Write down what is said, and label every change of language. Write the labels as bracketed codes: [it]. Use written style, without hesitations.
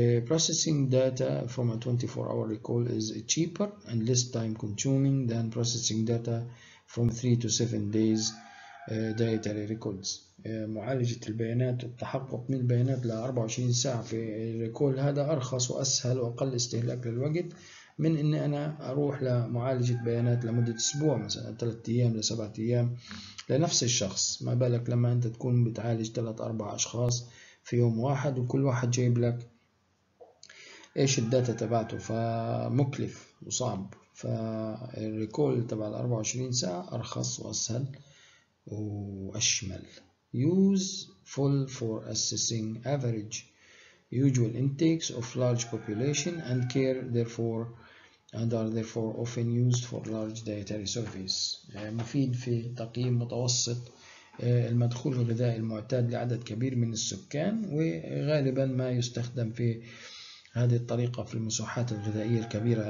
[en] Processing data from a 24-hour recall is cheaper and less time consuming than processing data from 3 to 7 days dietary records. [ar] معالجة البيانات والتحقق من البيانات ل 24 ساعة في الريكول هذا أرخص وأسهل وأقل استهلاك للوقت من إن أنا أروح لمعالجة بيانات لمدة أسبوع مثلا 3 أيام لسبعة أيام لنفس الشخص، ما بالك لما أنت تكون بتعالج 3 أو 4 أشخاص في يوم واحد وكل واحد جايب لك إيش الداتا تبعته، فمكلف وصعب. فالريكول تبع 24 ساعة أرخص وأسهل وأشمل. [en] Use full for assessing average usual intakes of large population and care therefore and are therefore often used for large dietary surveys. [ar] مفيد في تقييم متوسط المدخول الغذائي المعتاد لعدد كبير من السكان، وغالبا ما يستخدم في هذه الطريقة في المساحات الغذائية الكبيرة.